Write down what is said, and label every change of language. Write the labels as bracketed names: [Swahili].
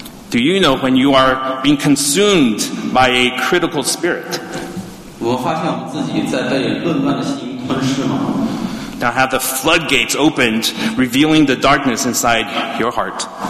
[English] Do you know when you are being consumed by a critical spirit? [Chinese] 我发现我们自己在被论断的心吞噬吗？ [English] Now have the floodgates opened, revealing the darkness inside your heart.